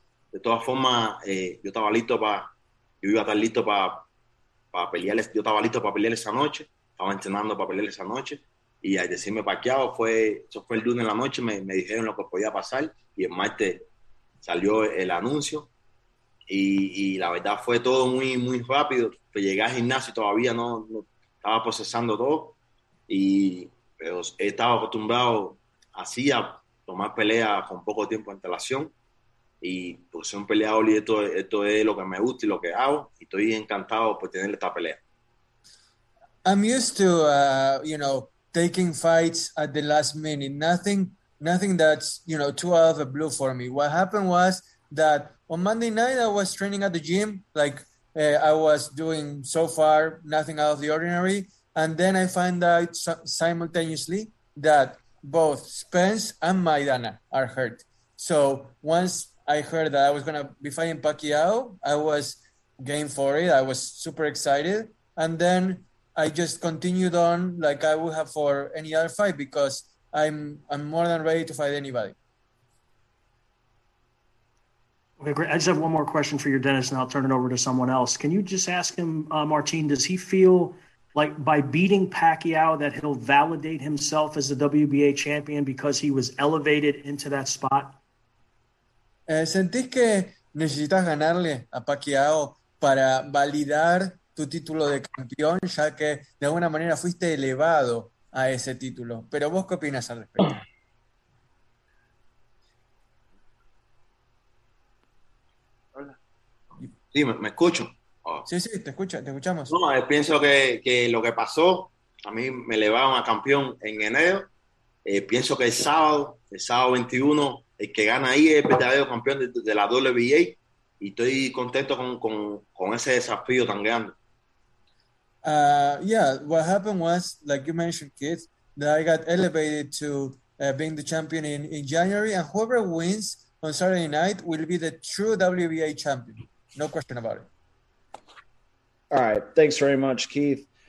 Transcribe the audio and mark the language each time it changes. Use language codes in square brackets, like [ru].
[es] De todas formas, yo estaba listo yo iba a estar listo para pelear, yo estaba listo para pelear esa noche, estaba entrenando para pelear esa noche, y al decirme Pacquiao, eso fue el lunes en la noche, me dijeron lo que podía pasar, y el martes salió el anuncio, y la verdad fue todo muy, muy rápido, pues llegué al gimnasio y todavía no estaba procesando todo, pero he estado acostumbrado así a tomar pelea con poco tiempo de antelación. Y pues soy un peleador y esto es lo que me gusta y lo que hago, y estoy encantado por tener esta pelea. [en] I'm used to taking fights at the last minute. Nothing that's too out of the blue for me. What happened was that on Monday night I was training at the gym, like I was doing so far nothing out of the ordinary, and then I find out simultaneously that both Spence and Maidana are hurt. So once I heard that I was going to be fighting Pacquiao, I was game for it. I was super excited. And then I just continued on like I would have for any other fight because I'm more than ready to fight anybody. Okay, great. I just have one more question for you, Dennis, and I'll turn it over to someone else. Can you just ask him, Martin, does he feel like by beating Pacquiao that he'll validate himself as the WBA champion because he was elevated into that spot? [es] ¿Sentís que necesitas ganarle a Pacquiao para validar tu título de campeón, ya que de alguna manera fuiste elevado a ese título? ¿Pero vos qué opinas al respecto? Hola. Sí, me escucho. Oh. Sí, te escuchamos. No, pienso que lo que pasó, a mí me elevaron a campeón en enero. Pienso que el sábado 21, el que gana ahí es el verdadero campeón de la WBA, y estoy contento con ese desafío tan grande. [en] Yeah, what happened was, like you mentioned, Keith, that I got elevated to being the champion in January, and whoever wins on Saturday night will be the true WBA champion. No question about it. All right, thanks very much, Keith.